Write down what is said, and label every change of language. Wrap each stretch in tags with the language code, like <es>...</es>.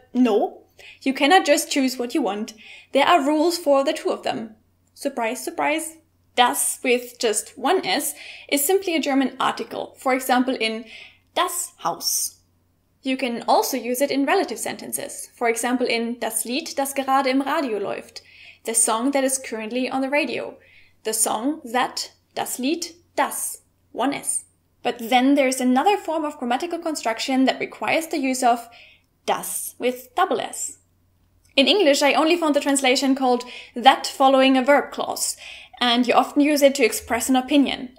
<en>But no, you cannot just choose what you want. There are rules for the two of them. Surprise, surprise. Das with just one S is simply a German article. For example, in</en> <de>das Haus.</de> <en>You can also use it in relative sentences. For example, in</en> <de>das Lied, das gerade im Radio läuft.</de> <en>The song that is currently on the radio. The song that,</en> <de>das Lied, das,</de> <en>one S. But then there's another form of grammatical construction that requires the use of das with double S. In English, I only found the translation called that following a verb clause, and you often use it to express an opinion.</en>